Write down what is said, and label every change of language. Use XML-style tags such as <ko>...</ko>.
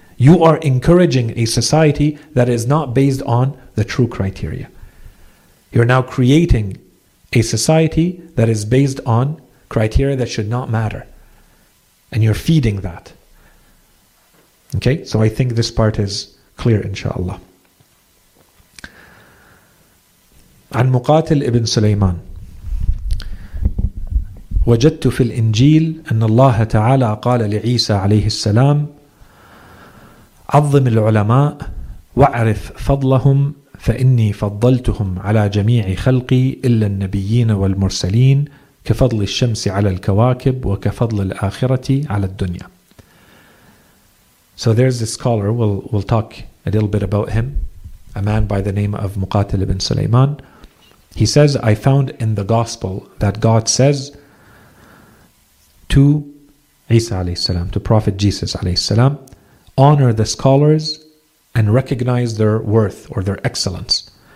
<en>You are encouraging a society that is not based on the true criteria. You're now creating a society that is based on criteria that should not matter. And you're feeding that. Okay, so I think this part is clear, inshallah.</en> <ar>عن مقاتل ابن سليمان وجدت في الإنجيل أن الله تعالى قال لعيسى عليه السلام عظم العلماء وعرف فضلهم فإني فضلتهم على جميع خلقي إلا النبيين والمرسلين كفضل الشمس على الكواكب وكفضل الآخرة على الدنيا.</ar> <en>So there's this scholar, we'll talk a little bit about him, a man by the name of مقاتل بن سليمان. He says, I found in the gospel that God says to Isa alayhi salam, to Prophet Jesus alayhi salam, honor the scholars and recognize their worth or their excellence.</en>